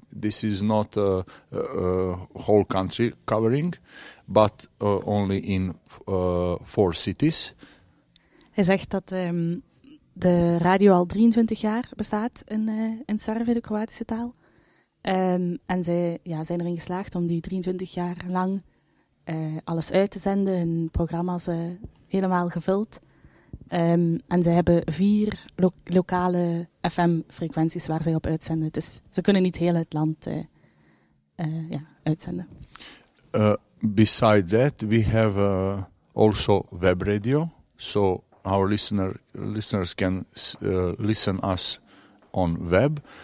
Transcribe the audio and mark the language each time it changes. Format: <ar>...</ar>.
<en>This is not a whole country covering. But only in four cities.</en> <nl>Hij zegt dat de radio al 23 jaar bestaat in Servië, de Kroatische taal. En zij zijn erin geslaagd om die 23 jaar lang alles uit te zenden. Hun programma's helemaal gevuld. En zij hebben vier lokale FM-frequenties waar zij op uitzenden. Dus ze kunnen niet heel het land uitzenden.</nl> <en>Beside that, we have also web radio, so our listeners can listen us on web.</en>